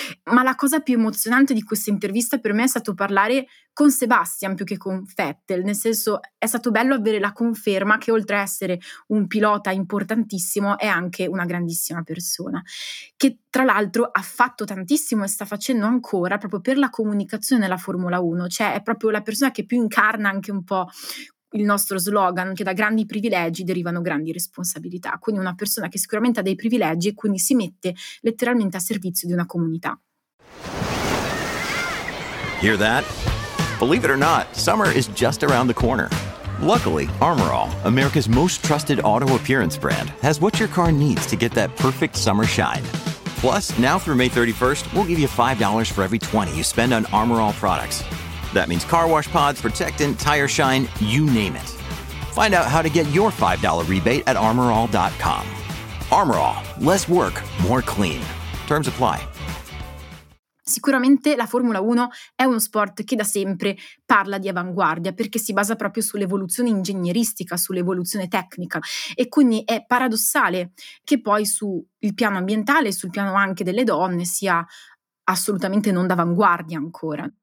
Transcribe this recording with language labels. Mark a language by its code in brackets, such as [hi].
[it] Ma la cosa più emozionante di questa intervista per me è stato parlare con Sebastian più che con Vettel, nel senso è stato bello avere la conferma che oltre a essere un pilota importantissimo è anche una grandissima persona, che tra l'altro ha fatto tantissimo e sta facendo ancora proprio per la comunicazione della Formula 1, cioè è proprio la persona che più incarna anche un po' il nostro slogan, che da grandi privilegi derivano grandi responsabilità, quindi una persona che sicuramente ha dei privilegi e quindi si mette letteralmente a servizio di una comunità. [en] Hear that? Believe it or not, summer is just around the corner. Luckily, Armorall, America's most trusted auto appearance brand, has what your car needs to get that perfect summer shine. Plus, now through May 31st, we'll give you $5 for every $20 you spend on Armorall products. That means car wash pods, protectant, tire shine, you name it. Find out how to get your $5 rebate at armorall.com. Armorall, less work, more clean. Terms apply. [it] Sicuramente la Formula 1 è uno sport che da sempre parla di avanguardia perché si basa proprio sull'evoluzione ingegneristica, sull'evoluzione tecnica e quindi è paradossale che poi sul piano ambientale e sul piano anche delle donne sia assolutamente non d'avanguardia ancora.